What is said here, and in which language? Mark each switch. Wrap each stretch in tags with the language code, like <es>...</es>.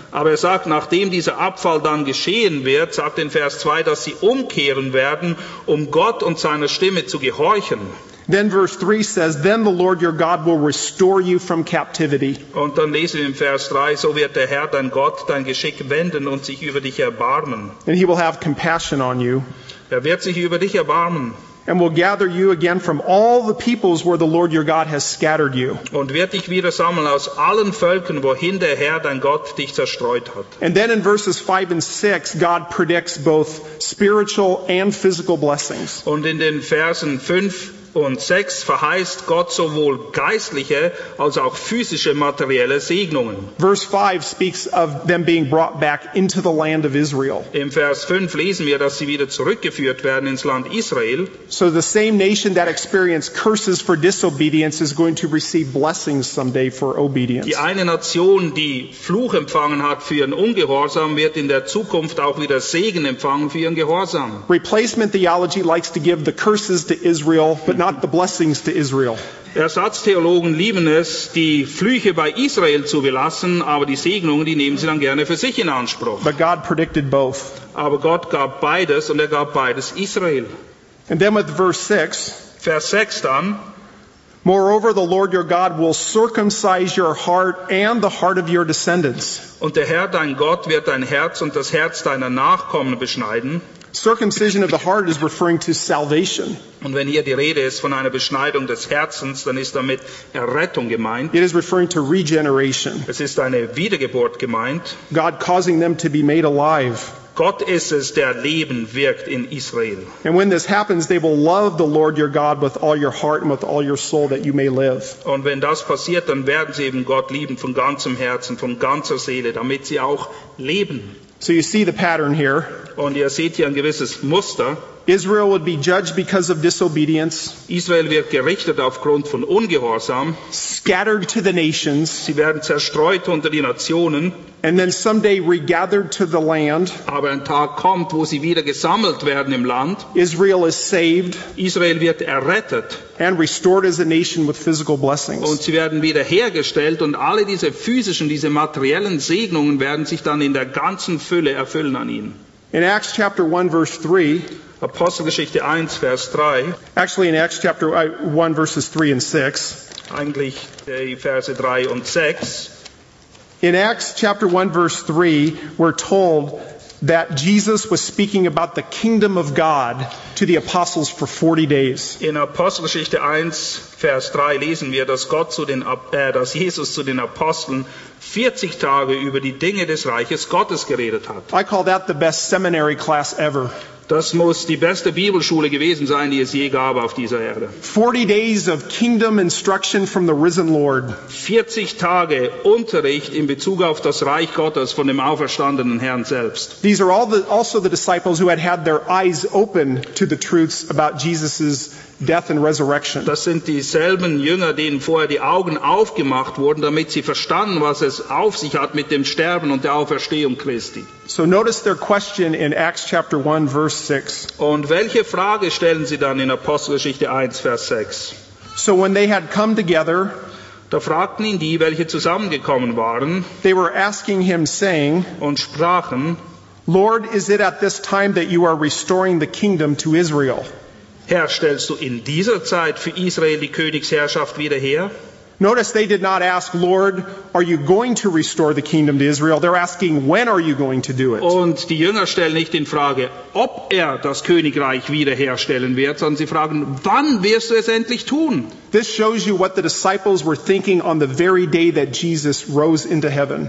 <de>Aber er sagt, nachdem dieser Abfall dann geschehen wird, sagt in Vers 2, dass sie umkehren werden, um Gott und seiner Stimme zu gehorchen.</de> <en>Then verse 3 says, then the Lord your God will restore you from captivity.</en> <de>Und dann lesen wir in Vers 3, so wird der Herr, dein Gott, dein Geschick wenden und sich über dich erbarmen.</de> <en>And he will have compassion on you.</en> <de>Er wird sich über dich erbarmen.</de> <en>And will gather you again from all the peoples where the Lord your God has scattered you.</en> <de>Und wird dich wieder sammeln aus allen Völkern, wohin der Herr dein Gott dich zerstreut hat.</de> <en>And then in verses 5 and 6, God predicts both spiritual and physical blessings.</en> <de>Und in den Versen 5 und 6 verheißt Gott sowohl geistliche als auch physische materielle Segnungen.</de> <en>Verse 5 speaks of them being brought back into the land of Israel.</en> <de>Im Vers 5 lesen wir, dass sie wieder zurückgeführt werden ins Land Israel.</de> <en>So the same nation that experienced curses for disobedience is going to receive blessings someday for obedience.</en> <de>Die eine Nation, die Fluch empfangen hat für ihren Ungehorsam, wird in der Zukunft auch wieder Segen empfangen für ihren Gehorsam.</de> <en>Replacement theology likes to give the curses to Israel, but not the blessings to Israel.</en> <de>Ersatztheologen lieben es, die Flüche bei Israel zu belassen, aber die Segnungen, die nehmen sie dann gerne für sich in Anspruch.</de> <en>But God predicted both.</en> <de>Aber Gott gab beides und er gab beides Israel.</de> <en>And then with verse 6,</en> <de>Vers 6 dann,</de> <en>moreover, the Lord your God will circumcise your heart and the heart of your descendants.</en> <de>Und der Herr dein Gott wird dein Herz und das Herz deiner Nachkommen beschneiden.</de> <en>Circumcision of the heart is referring to salvation.</en> <de>Und wenn hier die Rede ist von einer Beschneidung des Herzens, dann ist damit Errettung gemeint.</de> <en>It is referring to regeneration.</en> <de>Es ist eine Wiedergeburt gemeint.</de> <en>God causing them to be made alive.</en> <de>Gott ist es, der Leben wirkt in Israel.</de> <en>And when this happens, they will love the Lord your God with all your heart and with all your soul that you may live.</en> <de>Und wenn das passiert, dann werden sie eben Gott lieben von ganzem Herzen, von ganzer Seele, damit sie auch leben.</de> <en>So you see the pattern here.</en> <de>Und ihr seht hier ein gewisses Muster.</de> <en>Israel would be judged because of disobedience.</en> <de>Israel wird gerichtet aufgrund von Ungehorsam.</de> <en>Scattered to the nations.</en> <de>Sie werden zerstreut unter die Nationen.</de> <en>And then someday regathered to the land.</en> <de>Aber ein Tag kommt, wo sie wieder gesammelt werden im Land.</de> <en>Israel is saved.</en> <de>Israel wird errettet.</de> <en>And restored as a nation with physical blessings.</en> <de>Und sie werden wiederhergestellt und alle diese physischen, diese materiellen Segnungen werden sich dann in der ganzen Fülle erfüllen an ihnen.</de> <en>In Acts chapter 1 verse 3.</en> <de>Apostelgeschichte 1, Vers 3.</de> <en>Actually in Acts chapter 1, verses 3 and 6.</en> <de>Eigentlich die Verse 3 und 6.</de> <en>In Acts chapter 1, verse 3, we're told that Jesus was speaking about the kingdom of God to the apostles for 40 days.</en> <de>In Apostelgeschichte 1, Vers 3 lesen wir, dass Gott zu den dass Jesus zu den Aposteln 40 Tage über die Dinge des Reiches Gottes geredet hat.</de> <en>I call that the best seminary class ever.</en> <de>Das muss die beste Bibelschule gewesen sein, die es je gab auf dieser Erde.</de> <en>40 days of kingdom instruction from the risen Lord.</en> <de>40 Tage Unterricht in Bezug auf das Reich Gottes von dem auferstandenen Herrn selbst.</de> <en>These are also the disciples who had their eyes open to the truths about Jesus's death and resurrection.</en> <de>Das sind dieselben Jünger, denen vorher die Augen aufgemacht wurden, damit sie verstanden, was es auf sich hat mit dem Sterben und der Auferstehung Christi.</de> <en>So notice their question in Acts chapter 1 verse 6.</en> <de>Und welche Frage stellen sie dann in Apostelgeschichte 1 Vers 6?</de> <en>So when they had come together,</en> <de>da fragten ihn die, welche zusammengekommen waren,</de> <en>they were asking him saying,</en> <de>und sprachen,</de> <en>Lord, is it at this time that you are restoring the kingdom to Israel?</en> <de>Herr, stellst du in dieser Zeit für Israel die Königsherrschaft wieder her?</de> <en>Notice they did not ask, Lord, are you going to restore the kingdom to Israel? They're asking, when are you going to do it?</en> <de>Und die Jünger stellen nicht in Frage, ob das Königreich wiederherstellen wird, sondern sie fragen, wann wirst du es endlich tun?</de> <en>This shows you what the disciples were thinking on the very day that Jesus rose into heaven.</en>